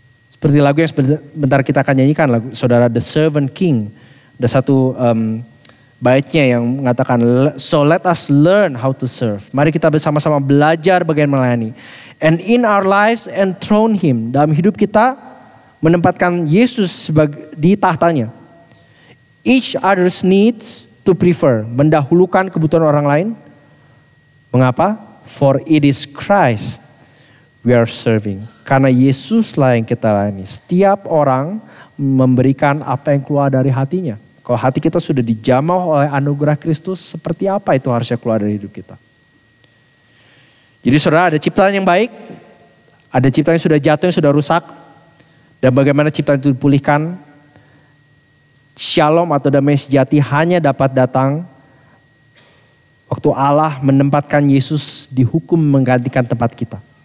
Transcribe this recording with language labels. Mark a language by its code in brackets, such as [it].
[id] Seperti lagu yang sebentar kita akan nyanyikan, lagu saudara The Servant King, ada satu baitnya yang mengatakan, [en] so let us learn how to serve. [id] Mari kita bersama-sama belajar bagaimana melayani. [en] And in our lives enthrone Him. [id] Dalam hidup kita menempatkan Yesus di tahtanya. [en] Each other's needs to prefer. [id] Mendahulukan kebutuhan orang lain. Mengapa? [en] For it is Christ we are serving. [id] Karena Yesuslah yang kita layani. Setiap orang memberikan apa yang keluar dari hatinya. Kalau hati kita sudah dijamah oleh anugerah Kristus, seperti apa itu harusnya keluar dari hidup kita? Jadi saudara, ada ciptaan yang baik, ada ciptaan yang sudah jatuh, yang sudah rusak, dan bagaimana ciptaan itu dipulihkan, shalom atau damai sejati hanya dapat datang waktu Allah menempatkan Yesus dihukum menggantikan tempat kita.